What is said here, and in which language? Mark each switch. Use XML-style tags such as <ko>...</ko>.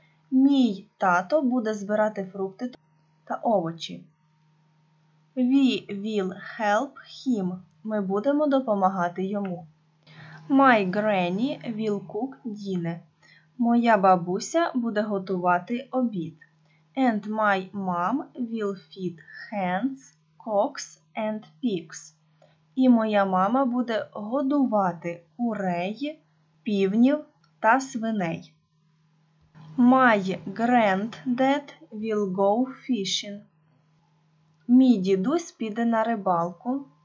<uk>Мій тато буде збирати фрукти та овочі.</uk> <en>We will help him.</en> <uk>Ми будемо допомагати йому.</uk> <en>My granny will cook dinner.</en> <uk>Моя бабуся буде готувати обід.</uk> <en>And my mom will feed hens, cocks and pigs.</en> <uk>І моя мама буде годувати курей, півнів та свиней.</uk> <en>My granddad will go fishing.</en> <uk>Мій дідусь піде на рибалку.</uk>